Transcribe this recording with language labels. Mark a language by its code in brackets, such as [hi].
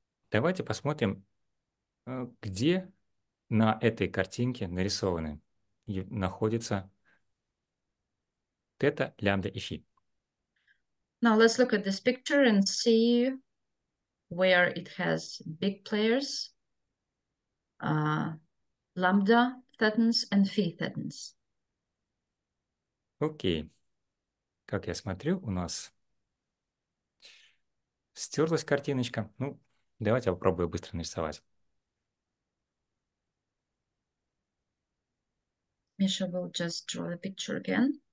[ru] Давайте посмотрим, где на этой картинке нарисованы и находятся тета, лямбда и фи. [en] Now let's look at this picture and see where it has big players, lambda thetans and phi thetans. [ru] Окей. Как я смотрю, у нас стерлась картиночка. Ну, давайте я попробую быстро нарисовать. [en] Миша will just draw the picture again.